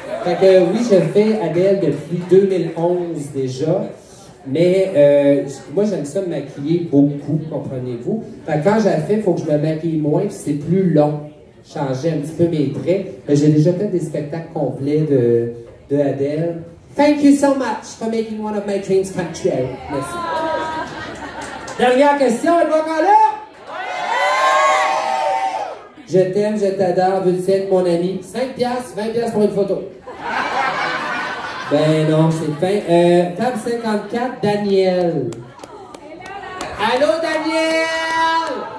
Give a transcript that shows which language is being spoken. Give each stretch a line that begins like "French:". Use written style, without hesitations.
French: Fait que oui, je fais Adèle depuis 2011 déjà, mais moi j'aime ça me maquiller beaucoup, comprenez-vous. Fait que quand je la fais, il faut que je me maquille moins, puis c'est plus long. Changer un petit peu mes traits. Mais j'ai déjà fait des spectacles complets de Adèle.
English: Thank you so much for making one of my dreams come true.
French: Merci. Dernière question, elle va encore là? Je t'aime, je t'adore, veux-tu être mon ami? 5$, 20$ pour une photo. Ben non, c'est fin. Table 54, Daniel. Allô, Daniel!